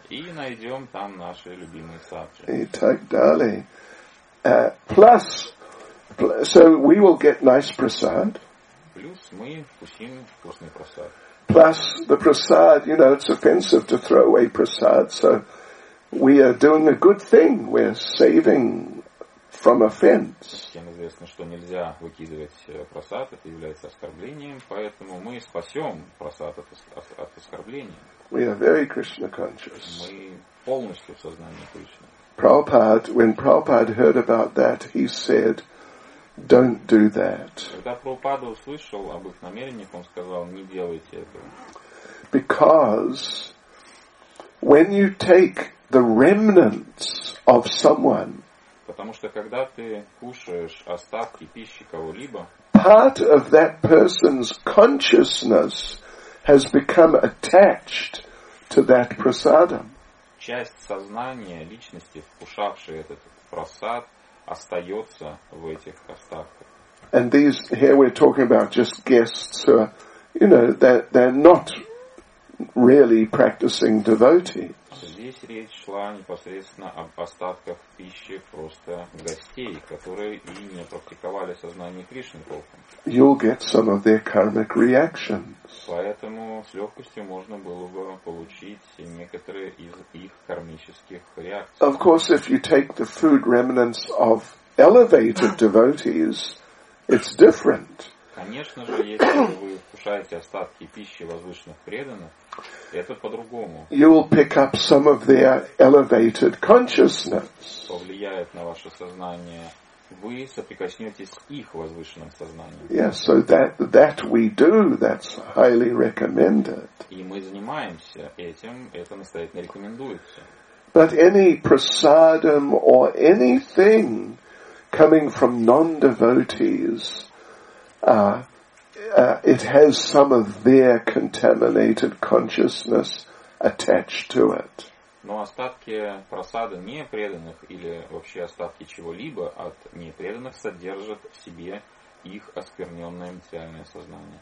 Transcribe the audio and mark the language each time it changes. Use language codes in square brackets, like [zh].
[ru] И найдем там наши любимые сабджи. И так далее. [en] Plus, so we will get nice prasad. [ru] Плюс мы вкусим вкусный просад. [en] Plus the prasad, you know, it's offensive to throw away prasad, so we are doing a good thing. We're saving from offense. [ru] Всем известно, что нельзя выкидывать просад, это является оскорблением, поэтому мы спасем просад от оскорбления. [en] We are very Krishna conscious. [ru] Мы полностью в сознании Кришны. [en] Prabhupada, when Prabhupada heard about that, he said, "Don't do that." [ru] Когда Прабхупада услышал об их намерениях, он сказал: "Не делайте этого." [en] Because when you take the remnants of someone, [ru] потому что когда ты кушаешь остатки пищи кого-либо, [en] part of that person's consciousness has become attached to that prasada. [ru] Часть сознания личности, вкушавшей этот просад, остается в этих остатках. [en] And these here we're talking about just guests, who are, you know, they're not really practicing devotees. [ru] Здесь речь шла непосредственно об остатках пищи просто гостей, которые и не практиковали сознание Кришны толком. [en] You'll get some of their karmic reactions. [ru] Поэтому с легкостью можно было бы получить некоторые из их кармических реакций. [en] Of course, if you take the food remnants of elevated devotees, it's different. [ru] Конечно же, если вы вкушаете остатки пищи возвышенных преданных, это по-другому. [en] You will pick up some of their elevated consciousness. [ru] Повлияет на ваше сознание. Вы соприкоснетесь с их возвышенным сознанием. [en] Yes, so that we do, that's highly recommended. [ru] И мы занимаемся этим, это настоятельно рекомендуется. [en] But any prasadam or anything coming from non-devotees, it has some of their contaminated consciousness attached to it. [ru] Но остатки просады непреданных или вообще остатки чего-либо от непреданных содержат в себе их оскверненное материальное сознание.